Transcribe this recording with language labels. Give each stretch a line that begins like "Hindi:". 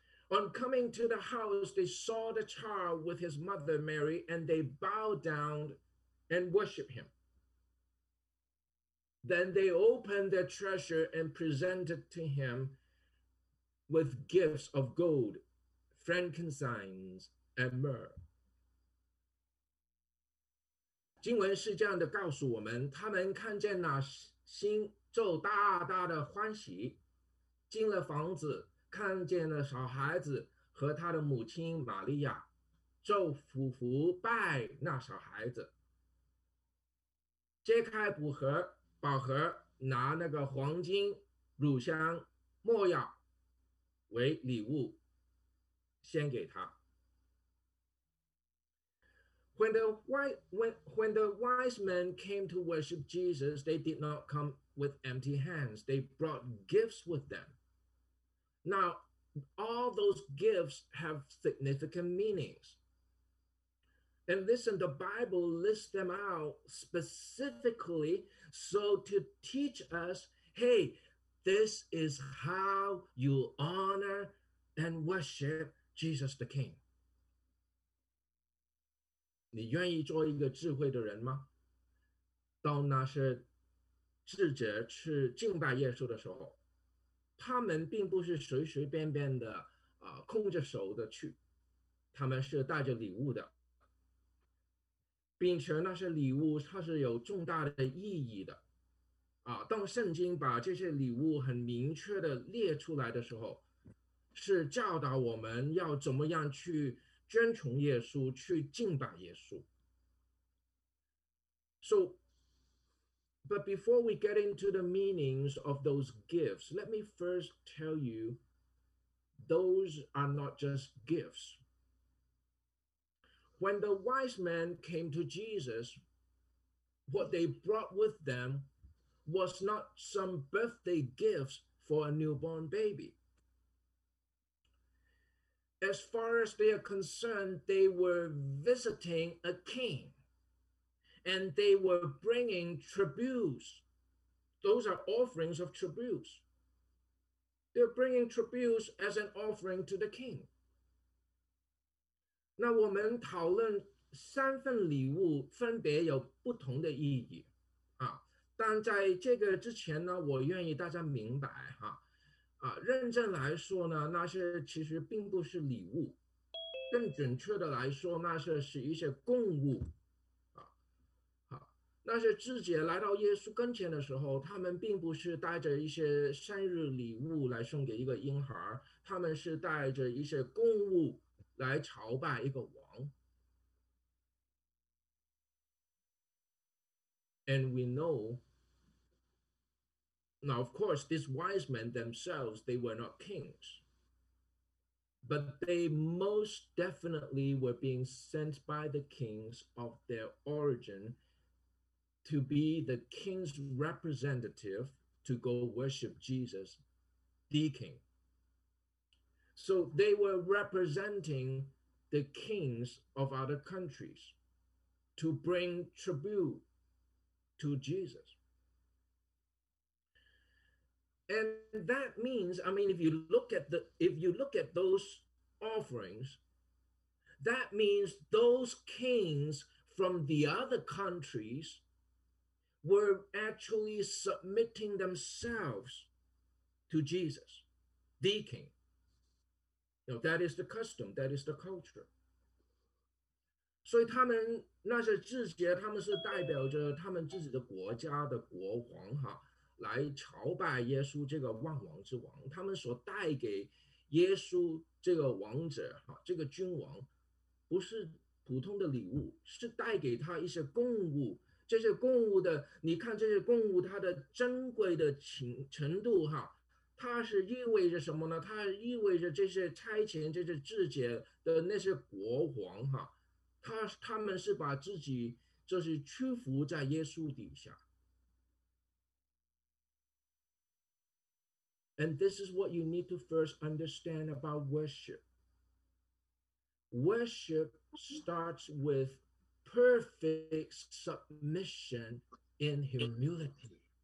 English: On coming to the house, they saw the child with his mother Mary, and they bowed down and worshiped him. Then they opened their treasure and presented to him with gifts of gold, frankincense, and myrrh.
Chinese: 经文是这样的告诉我们，他们看见那心就大大的欢喜，进了房子，看见了小孩子和他的母亲玛利亚，就俯伏拜那小孩子，揭开宝盒，拿那个黄金、乳香、没药为礼物，献给他。
English: When the wise men came to worship Jesus, they did not come with empty hands. They brought gifts with them. Now, all those gifts have significant meanings. And listen, the Bible lists them out specifically so to teach us, hey, this is how you honor and worship Jesus the King.
Chinese: 你愿意做一个智慧的人吗？当那些智者去敬拜耶稣的时候，他们并不是随随便便的空着手的去，他们是带着礼物的。并且那些礼物它是有重大的意义的。啊，当圣经把这些礼物很明确的列出来的时候，是教导我们要怎么样去遵从耶稣，去敬拜耶稣。
English: So, but before we get into the meanings of those gifts, let me first tell you, those are not just gifts. When the wise men came to Jesus, what they brought with them was not some birthday gifts for a newborn baby. As far as they are concerned, they were visiting a king, and they were bringing tributes. Those are offerings of tributes. They're bringing tributes as an offering to the king.
Chinese: 那我们讨论三份礼物分别有不同的意义啊，但在这个之前呢，我愿意大家明白哈。啊，认真来说呢，那些其实并不是礼物，更准确的来说，那些是一些供物。那些知己来到耶稣跟前的时候，他们并不是带着一些生日礼物来送给一个婴孩，他们是带着一些供物来朝拜一个王。
English: And we know, now of course, these wise men themselves, they were not kings, but they most definitely were being sent by the kings of their origin to be the king's representative to go worship Jesus, the king. So they were representing the kings of other countries to bring tribute to Jesus. And that means, I mean, if you look at those offerings, that means those kings from the other countries were actually submitting themselves to Jesus, the king. Now, that is the custom, that is the culture.
Chinese: 所以他们那些知己，他们是代表着他们自己的国家的国王哈，来朝拜耶稣这个万王之王。他们所带给耶稣这个王者哈，这个君王，不是普通的礼物，是带给他一些供物。这些供物的，你看这些供物它的珍贵的程度哈，它是意味着什么呢？它意味着这些差遣这些知己的那些国王哈，他们是把自己就是屈服在耶稣底下。
English: And this is what you need to first understand about worship. Worship starts with perfect submission in humility.